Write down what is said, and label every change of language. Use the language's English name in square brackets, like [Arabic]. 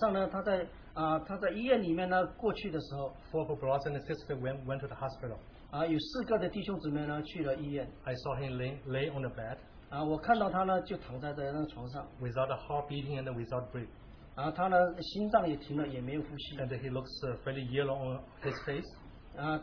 [Chinese] 当他星期三早上呢他在医院里面呢过去的时候。 [English] Four brothers and sisters went to the hospital. [Chinese] 有四个的弟兄姊妹呢去了医院。 [English] I saw him lay on the bed. [Chinese] 我看到他呢就躺在那床上 [English] without a heart beating and without breath. [Chinese] 他呢心脏也停了也没有呼吸。 [English] And he looks fairly yellow on his face.